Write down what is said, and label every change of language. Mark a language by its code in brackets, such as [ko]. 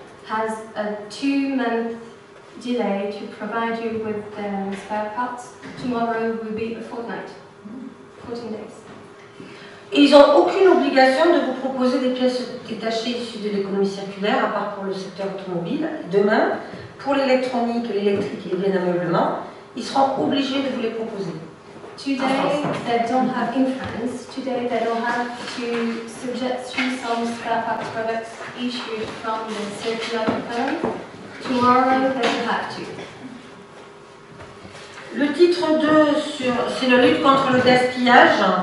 [en] Has a 2 month delay to provide you with the spare parts. Tomorrow will be a fortnight, 14 days. [fr] Et ils n'ont aucune obligation de vous proposer des pièces détachées issues de l'économie circulaire, à part pour le secteur automobile. Demain, pour l'électronique, l'électrique et bien ameublement, ils seront obligés de vous les proposer. [en] Today they don't have to suggest you some spare parts products issued from the circular firm. Tomorrow they will have to. [fr] Le titre 2 sur c'est la lutte contre le gaspillage.